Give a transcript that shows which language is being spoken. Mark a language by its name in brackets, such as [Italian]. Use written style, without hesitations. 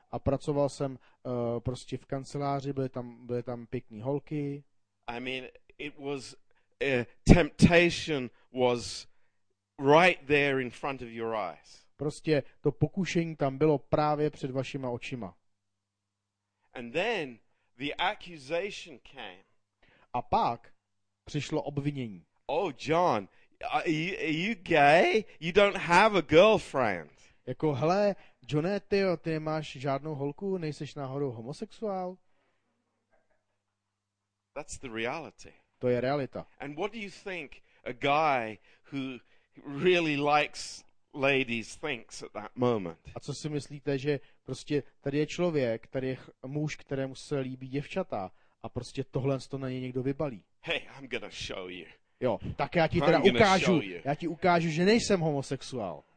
[Czech] A pracoval jsem prostě v kanceláři, byly tam pěkné holky. [English] I mean, it was temptation was right there in front of your eyes. [Czech] Prostě to pokušení tam bylo právě před vašima očima. [English] And then the accusation came. [Czech] A pak přišlo obvinění. [English] Oh John, are you gay? You don't have a girlfriend. [Czech] Jako hele, Johne, ty nemáš žádnou holku, nejseš náhodou homosexuál? [English] That's the reality. [Czech] To je realita. [English] And what do you think a guy who really likes ladies thinks at that moment. [Czech] A co si myslíte, že prostě tady je člověk, tady je muž, kterému se líbí děvčata a prostě tohle to na něj někdo vybalí. [English] Hey, I'm gonna show you. [Czech] Jo, tak já ti teda ukážu. Já ti ukážu, že nejsem homosexuál.